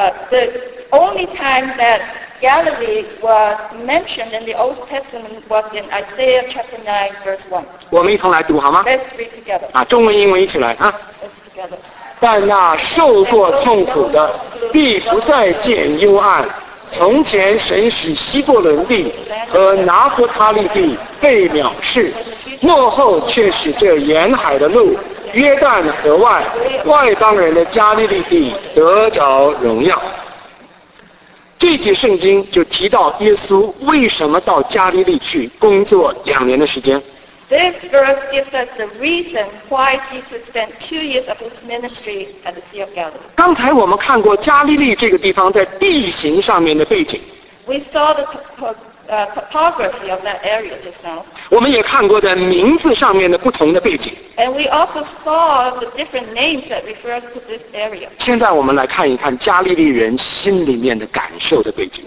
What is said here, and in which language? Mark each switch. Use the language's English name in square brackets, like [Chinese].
[English] The only time that Galilee was mentioned in the Old Testament was in Isaiah chapter 9:1. [Chinese] 我们一同来读好吗？ [English] Let's read together. [Chinese] 啊，中文英文一起来啊。但那受过痛苦的必不再见幽暗，从前神使西伯伦地和拿弗他利地被藐视，末后却使这沿海的路约旦河外外邦人的加利利地得着荣耀。这节圣经就提到耶稣为什么到加利利去工作2年的时间。 [English] This verse gives us the reason why Jesus spent 2 years of his ministry at the Sea of Galilee. [Chinese] 刚才我们看过加利利这个地方在地形上面的背景。 [English] We saw the topography of that area just now. [Chinese] 我们也看过在名字上面的不同的背景。 [English] And we also saw the different names that refers to this area. [Chinese] 现在我们来看一看加利利人心里面的感受的背景。